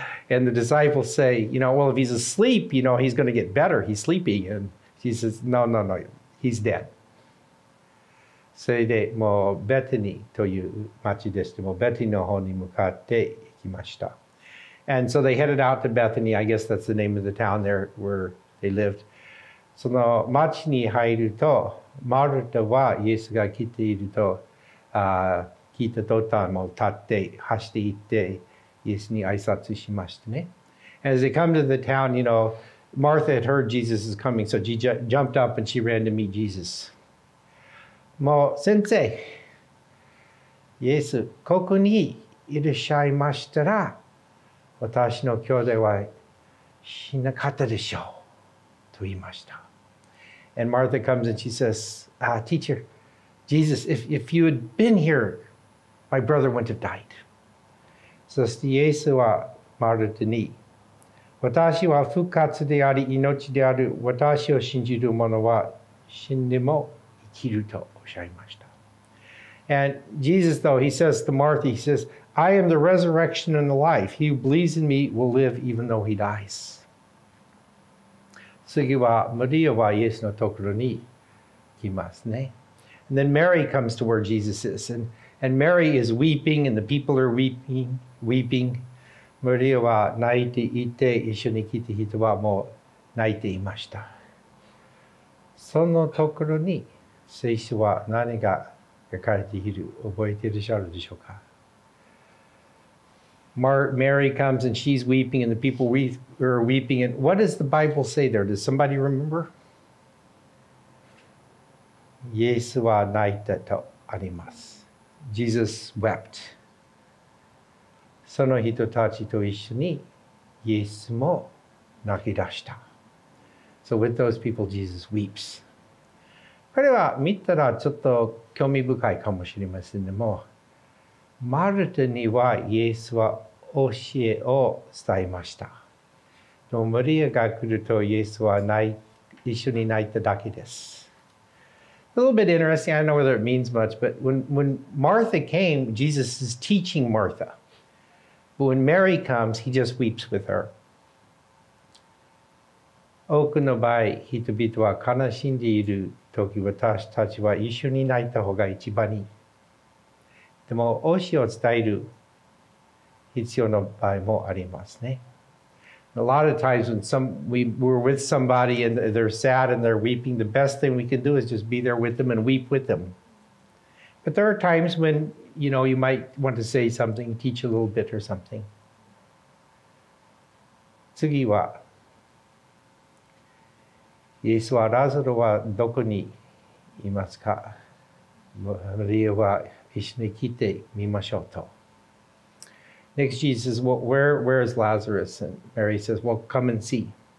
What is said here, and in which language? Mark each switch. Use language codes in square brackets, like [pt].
[en] And the disciples say, you know, well, if he's asleep, you know, he's going to get better. He's sleeping. And Jesus says, no, he's dead. [ja] それでもうベタニという町でして、もうベタニの方に向かって行きました。 [en] And so they headed out to Bethany. I guess that's the name of the town there where they lived. [ja] その町に入ると、マルタはイエスが来ていると、聞いた途端も立って走って行って、イエスに挨拶しましたね。 [en] As they come to the town, you know, Martha had heard Jesus is coming, so she jumped up and she ran to meet Jesus. [ja] もう先生、イエスここにいらっしゃいましたら、私の兄弟は死なかったでしょうと言いました。 [en] And Martha comes and she says, "Teacher, Jesus, if you had been here, my brother wouldn't have died." [ja] そしてイエスはマルタに、私は復活であり命である。私を信じる者は死んでも生きると。 [en] And Jesus, though, he says to Martha, he says, I am the resurrection and the life. He who believes in me will live even though he dies. [ja] 次は、マリアはイエスのところに来ますね。 [en] And then Mary comes to where Jesus is. And Mary is weeping and the people are weeping. [ja] マリアは泣いていて、一緒に来た人はもう泣いていました。そのところに、聖書は何が書かれている覚えていらっしゃるでしょうか? [en] Mary comes and she's weeping and the people are weeping. And what does the Bible say there? Does somebody remember? [ja] イエスは泣いたとあります。 [en] Jesus wept. [ja] その人たちと一緒にイエスも泣き出した。 [en] So with those people, Jesus weeps. [ja] これは見たらちょっと興味深いかもしれませんでも、マルタにはイエスは教えを伝えました。でもマリアが来るとイエスは一緒に泣いただけです。 [en] A little bit interesting, I don't know whether it means much, but when Martha came, Jesus is teaching Martha. But when Mary comes, he just weeps with her. [ja] 多くの場合、人々は悲しんでいるとき、私たちは一緒に泣いた方が一番いい。でも、推しを伝える必要の場合もありますね。 [en] A lot of times when we're with somebody and they're sad and they're weeping, the best thing we can do is just be there with them and weep with them. But there are times when, you know, you might want to say something, teach a little bit or something. [ja] 次は、イエスはラザロはどこにいますか？マリアは一緒に来てみましょうと。 [en] Next, Jesus says, well, where is Lazarus? And Mary says, well, come and see.